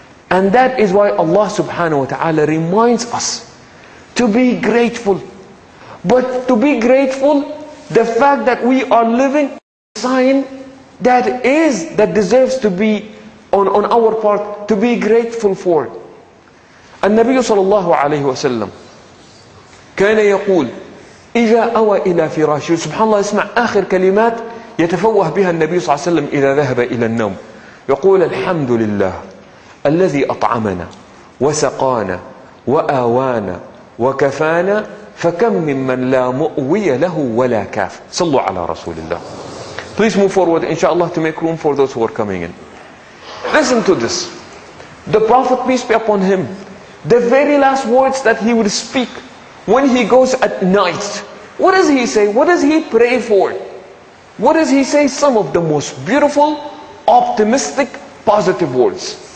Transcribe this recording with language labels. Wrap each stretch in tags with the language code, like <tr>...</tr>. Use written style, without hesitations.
<en>And that is why Allah subhanahu wa ta'ala reminds us to be grateful. But to be grateful, the fact that we are living is a sign that is, that deserves to be on our part, to be grateful for.</en> <ar>And Nabi sallallahu alayhi wa sallam كان يقول إذا أوى إلى فراشه. Subhanallah, اسمع آخر كلمات يتفوه بها النبي صلى الله عليه وسلم إذا ذهب إلى النوم. يقول الحمد لله الذي أطعمنا وسقانا وآوانا وكفانا فكم ممن لا مؤوي له ولا كاف. صلوا على رسول الله.</ar> <en>Please move forward, inshallah, to make room for those who are coming in. Listen to this. The Prophet, peace be upon him, the very last words that he would speak when he goes at night, what does he say? What does he pray for? What does he say? Some of the most beautiful, optimistic, positive words.</en>